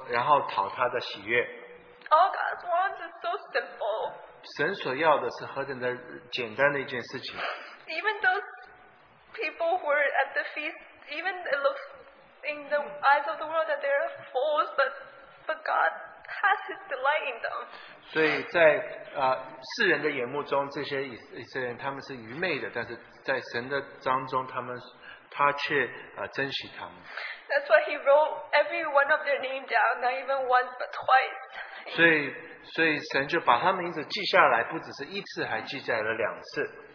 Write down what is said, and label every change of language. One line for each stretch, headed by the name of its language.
Chinese: 因为神所愿望的就是我们把一切的事情放下，就很简单的来到他面前说，然后讨他的喜悦。
English: All God wants is so simple.
Chinese: 神所要的是何等的简单的一件事情。
English: Even those people who are at the feast, even it looks in the eyes of the world that they're fools, but God has His delight in them.
Chinese: 所以在世人的眼目中，这些以色列人他们是愚昧的，但是在神的当中，他却珍惜他们。
English: That's why He wrote every one of their name down, not even once but twice.
Chinese: 所以神就把他名字记下来，不只是一次，还记载了两次。